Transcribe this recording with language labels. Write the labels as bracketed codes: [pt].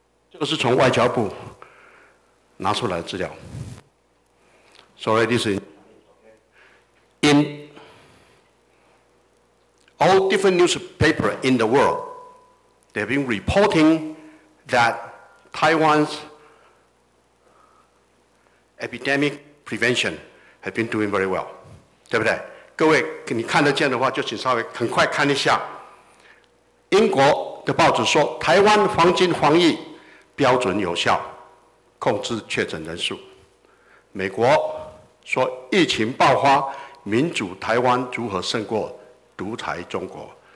[zh] 这个是从外交部拿出来的资料。 [en] Sorry, this is in all different newspaper in the world. They've been reporting that Taiwan's epidemic prevention has been doing very well, 对不对？ [zh] 各位，你看得见的话，就请稍微很快看一下。英国的报纸说，台湾黄金防疫标准有效。控制确诊人数，美国说疫情爆发，民主台湾如何胜过独裁中国？